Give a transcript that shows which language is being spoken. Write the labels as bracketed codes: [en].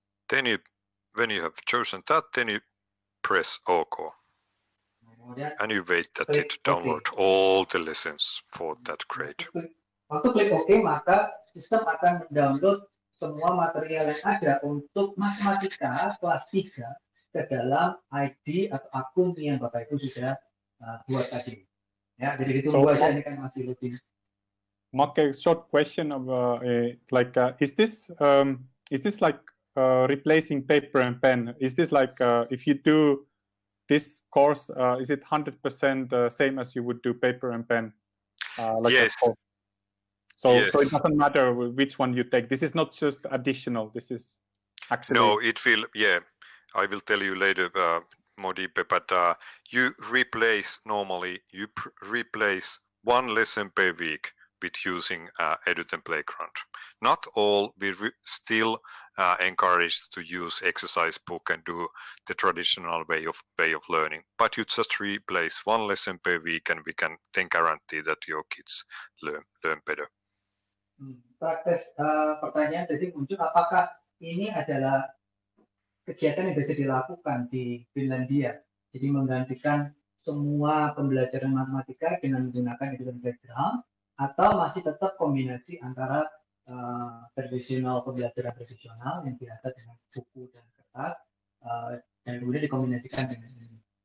[en] Then you, when you have chosen that, then you press OK. And you wait that it download all the lessons for that grade. [id] Waktu klik OK, maka sistem akan mendownload semua material yang ada untuk matematika kelas 3 ke dalam ID atau akun yang Bapak Ibu sudah buat tadi. Ya, jadi itu dua aja, ini kan masih rutin. [en] Mark, a short question of is this replacing paper and pen? Is this like if you do this course, is it 100% same as you would do paper and pen? Yes. So it doesn't matter which one you take. This is not just additional. This is actually. No, it will. Yeah, I will tell you later, Modipe. But you replace normally. You replace one lesson per week with using EDUTEN Playground. Not all, we still encourage to use exercise book and do the traditional way of learning, but you just replace one lesson per week and we can then guarantee that your kids learn better. [id] Praktis pertanyaan tadi muncul, apakah ini adalah kegiatan yang bisa dilakukan di Finlandia? Jadi menggantikan semua pembelajaran matematika dengan menggunakan EDUTEN Playground, atau masih tetap kombinasi antara tradisional pembelajaran tradisional yang biasa dengan buku dan kertas dan kemudian dikombinasikan dengan ini.